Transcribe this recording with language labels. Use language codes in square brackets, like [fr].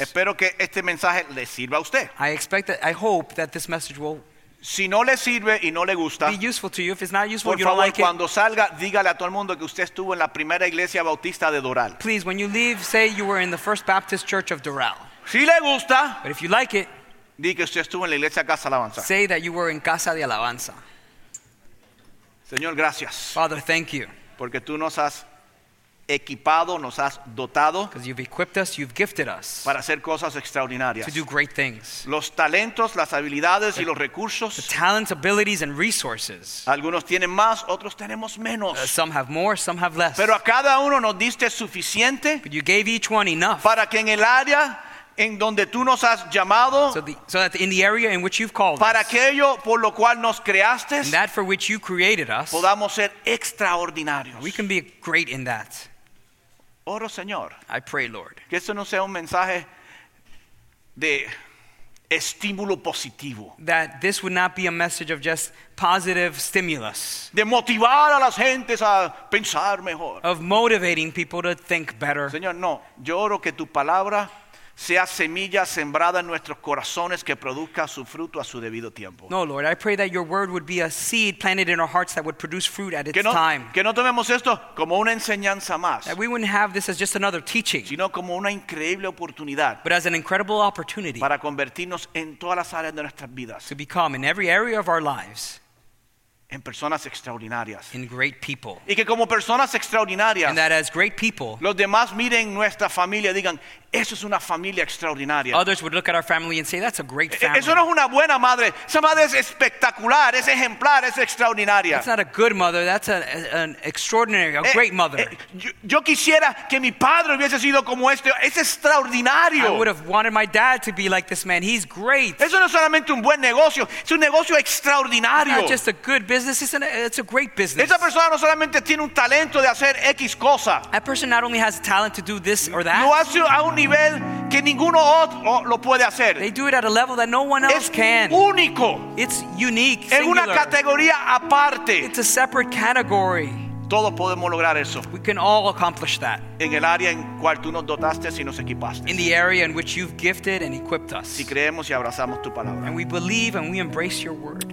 [es] Espero que este mensaje le sirva a usted. [en] I hope that this message will. [es] Si no le sirve y no le gusta, [en] be useful to you. If it's not useful, [es] por favor, [en] you don't like [es] cuando [en] it, [es] salga, dígale a todo el mundo que usted estuvo en la primera iglesia bautista de Doral. [en] Please, when you leave, say you were in the First Baptist Church of Doral. [es] Si le gusta, [en] but if you like it, [es] di que usted estuvo en la iglesia Casa Alabanza. [en] Say that you were in Casa de Alabanza. [es] Señor, gracias. [en] Father, thank you. [es] Porque tú nos has equipado, nos has dotado. [en] Because you've equipped us, you've gifted us. [es] Para hacer cosas extraordinarias. [en] To do great things. [es] Los talentos, las habilidades y los recursos. [en] The talents, abilities, and resources. [es] Algunos tienen más, otros tenemos menos. [en] Some have more, some have less. [es] Pero a cada uno nos diste suficiente. [en] But you gave each one enough. [es] Para que en el área en donde tú nos has llamado. [en] So that in the area in which you've called [es] para [en] us. [es] Para aquello por lo cual nos creaste. [en] And that for which you created us. [es] Podamos ser extraordinarios. [en] We can be great in that. [es] Oro, Señor. [en] I pray, Lord. [es] Que esto no sea un mensaje de estímulo positivo. [en] That this would not be a message of just positive stimulus. [es] De motivar a las gentes a pensar mejor. [en] Of motivating people to think better. [es] Señor, no. Yo oro que tu palabra sea semilla sembrada en nuestros corazones que produzca su fruto a su debido tiempo. [en] No, Lord, I pray that your word would be a seed planted in our hearts that would produce fruit at its [es] que no, [en] time. [es] Que no tomemos esto como una enseñanza más. [en] That we wouldn't have this as just another teaching. [es] Sino como una increíble oportunidad. [en] But as an incredible opportunity. [es] Para convertirnos en todas las áreas de nuestras vidas. [en] To become in every area of our lives. [es] En personas extraordinarias. [en] In great people. [es] Y que como personas extraordinarias. [en] And that as great people. [es] Los demás miren nuestra familia y digan, eso es una familia extraordinaria. [en] Others would look at our family and say, that's a great family. [es] Eso no es una buena madre. Esa madre es espectacular, es ejemplar, es extraordinaria. [en] That's not a good mother, that's an extraordinary, a great mother. [es] Yo quisiera que mi padre hubiese sido como este. Es extraordinario. [en] I would have wanted my dad to be like this man. He's great. [es] Eso no es solamente un buen negocio. Es un negocio extraordinario. [en] It's not just a good business, it's a great business. [es] Esa persona no solamente tiene un talento de hacer X cosa. [en] That person not only has a talent to do this or that. [es] No hace a un nivel que ninguno otro lo puede hacer. [en] They do it at a level that no one else [es] es [en] can. [es] Es único. [en] It's unique, [es] singular. En una categoría aparte. [en] It's a separate category. [es] Todos podemos lograr eso. [en] We can all accomplish that. [es] En el área en cual tú nos dotaste y nos equipaste. [en] In the area in which you've gifted and equipped us. [es] Si creemos y abrazamos tu palabra. [en] And we believe and we embrace your word.